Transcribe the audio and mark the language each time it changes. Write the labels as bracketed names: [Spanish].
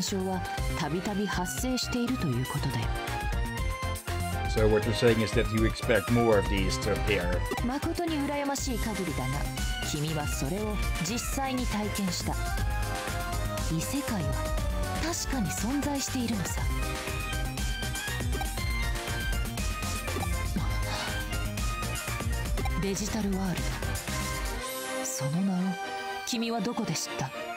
[Japanese] ちなみに、引用元は柳田邦夫博士が遠野物語に記した迷い画伝説だ。興味が湧いたなら調べてみるといい。ここで重要なのは、伝承にも残されているように迷い画のような現象はたびたび発生しているということだよ。 [English] So what you're saying is that you expect more of these to appear. [Japanese] 誠に羨ましい限りだな。君はそれを実際に体験した。異世界は確かに存在しているのさ。デジタルワールド。その名を君はどこで知った？